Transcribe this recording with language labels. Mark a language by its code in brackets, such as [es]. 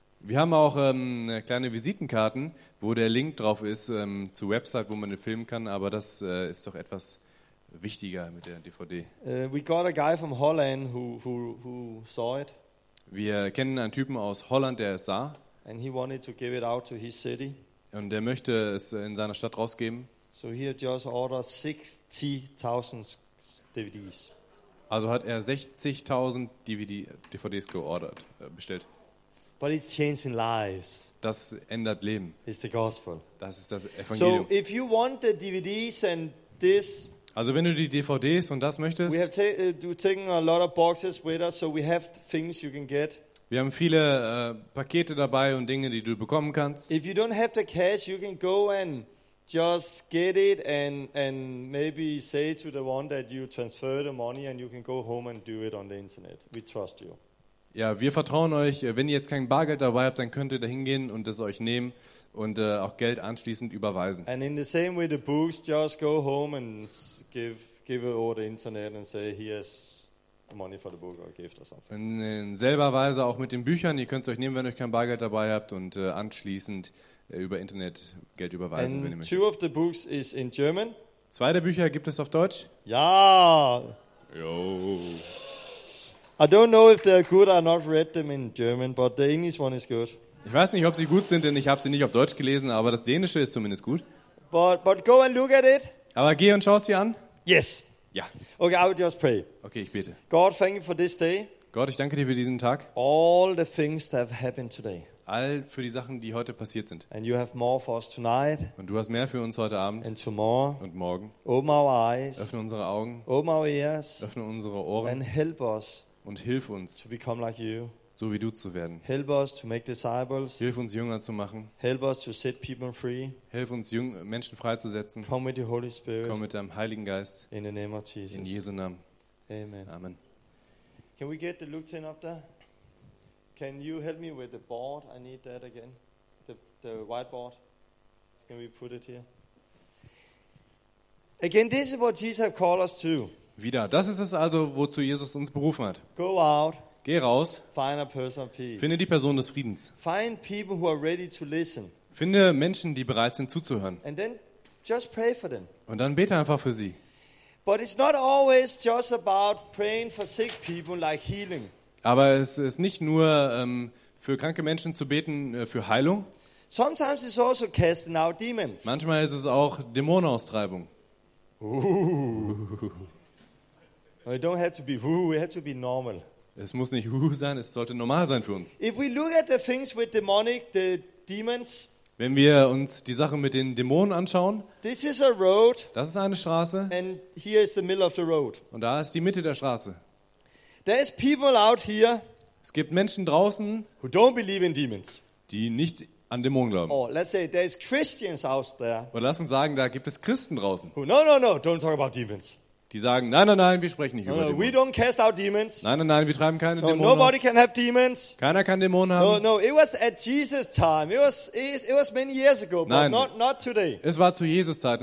[de] Wir haben auch kleine Visitenkarten, wo der Link drauf ist zur Website, wo man den filmen kann, aber das ist doch etwas wichtiger mit der DVD. [en] We got a guy from Holland who saw it. [de] Wir kennen einen Typen aus Holland, der es sah. [en] And he wanted to give it out to his city. [de] Und der möchte es in seiner Stadt rausgeben. [en] So he had just ordered 60,000 DVDs. [de] Also hat er 60,000 DVDs geordert, bestellt. [en] But it's changing lives. [de] Das ändert Leben. [en] It's the gospel. [de] Das ist das Evangelium. [en] So if you want the DVDs and this. [de] Also wenn du die DVDs und das möchtest. [en] We have taken a lot of boxes with us, so we have things you can get. [de] Wir haben viele Pakete dabei und Dinge, die du bekommen kannst. [en] If you don't have the cash, you can go and just get it and maybe say to the one that you transfer the money and you can go home and do it on the internet. We trust you. [de] Ja, wir vertrauen euch. Wenn ihr jetzt kein Bargeld dabei habt, dann könnt ihr da hingehen und das euch nehmen und auch Geld anschließend überweisen. [en] And in the same way the books, just go home and give it over the internet and say here's the money for the book or gift or something. [de] In selber Weise auch mit den Büchern. Ihr könnt es euch nehmen, wenn ihr euch kein Bargeld dabei habt und anschließend über Internet Geld überweisen, [en] and [de] wenn ihr möchtet. [en] Two of the books is in German. [de] Zwei der Bücher gibt es auf Deutsch? Ja. Yo. [en] I don't know if they're good or not, read them in German, but the English one is good. [de] Ich weiß nicht, ob sie gut sind, denn ich habe sie nicht auf Deutsch gelesen, aber das Dänische ist zumindest gut. [en] But go and look at it. [de] Aber geh und schau sie an. [en] Yes. [de] Ja. [en] Okay, I would just pray. [de] Okay, ich bete. [en] God, thank you for this day. [de] Gott, ich danke dir für diesen Tag. [en] All the things that have happened today. [de] All für die Sachen, die heute passiert sind. [en] And you have more for us tonight. [de] Und du hast mehr für uns heute Abend. [en] And tomorrow. [de] Und morgen. [en] Open our eyes. [de] Öffne unsere Augen. [en] Open our ears. [de] Öffne unsere Ohren. [en] And help us. [de] Und hilf uns. [en] To become like you. [de] So wie du zu werden. [en] Help us to make disciples. [de] Hilf uns, Jünger zu machen. [en] Help us to set people free. [de] Hilf uns, Menschen freizusetzen. [en] Come with the Holy Spirit. [de] Komm mit deinem Heiligen Geist. [en] In the name of Jesus. [de] In Jesu Namen. [en] Amen. [de] Amen. [en] Can we get the Luke 10 up there? Can you help me with the board? I need that again. The whiteboard. Can we put it here? Again, this is what Jesus has called us to. [de] Wieder. Das ist es also, wozu Jesus uns berufen hat. [en] Go out. [de] Geh raus. [en] Find a person of peace. [de] Finde die Person des Friedens. [en] Find people who are ready to listen. [de] Finde Menschen, die bereit sind zuzuhören. [en] And then just pray for them. [de] Und dann bete einfach für sie. [en] But it's not always just about praying for sick people like healing. [de] Aber es ist nicht nur für kranke Menschen zu beten für Heilung. [en] Sometimes it's also casting out demons. [de] Manchmal ist es auch Dämonenaustreibung. [en] Ooh. We don't have to be woo, we have to be normal. [de] Es muss nicht woo sein, es sollte normal sein für uns. [en] If we look at the things with demonic, the demons. [de] Wenn wir uns die Sache mit den Dämonen anschauen, [en] this is a road, [de] das ist eine Straße, [en] and here is the middle of the road. [de] Und da ist die Mitte der Straße. [en] There is people out here, [de] es gibt Menschen draußen, [en] who don't believe in demons. [de] Die nicht an Dämonen glauben. [en] Or let's say there is Christians out there, [de] oder lass uns sagen, da gibt es Christen draußen, [en] who, no, don't talk about demons. [de] Die sagen, nein, wir sprechen nicht über Dämonen. [en] We don't cast out demons. [de] Nein, wir treiben keine Dämonen aus. [en] Nobody can have demons. [de] Keiner kann Dämonen haben. [en] No, it was at Jesus' time. It was many years ago, but [de] nein. [en] not today. [de] Es war zu Jesus' Zeiten.